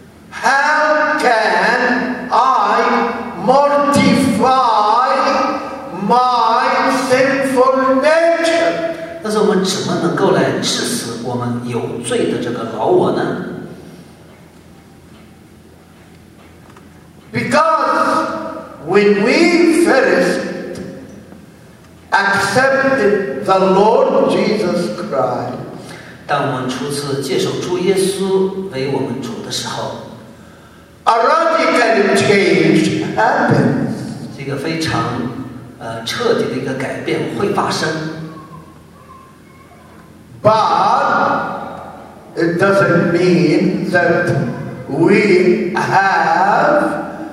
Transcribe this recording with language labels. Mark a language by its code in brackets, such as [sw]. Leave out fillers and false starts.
[en] How can I mortify my sinful nature? [zh] 但是我们怎么能够来致死我们有罪的这个老我呢？ [en] Because when we first accepted the Lord Jesus Christ, [zh] 当我们初次接受主耶稣为我们主的时候， [en] a radical change happens. [zh] 这个非常彻底的一个改变会发生。 [en] But it doesn't mean that we have.